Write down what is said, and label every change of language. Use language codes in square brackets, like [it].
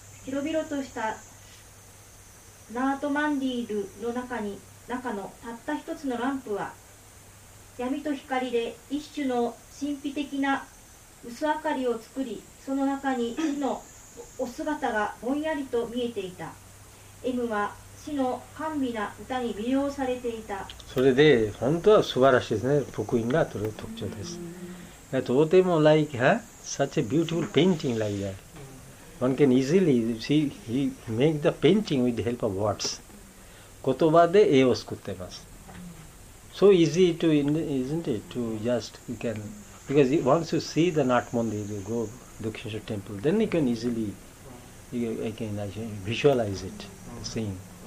[ja] 広々としたナートマンディールの中のたった一つのランプは闇と光で一種の神秘的な薄明かりを作り、その中に死のお姿がぼんやりと見えていた。 M は死の甘美な歌に魅了されていた。それで本当は素晴らしいですね。福音がとる特徴です。とても [en] like such a beautiful painting like that. One can easily see he make the painting with the help of words. [ja] 言葉で絵を作っています。 [en] So easy to, isn't it, to just, you can, because once you see the Nath Mandir, you go to Dakshinshara temple, then you can easily, you can visualize it, the scene.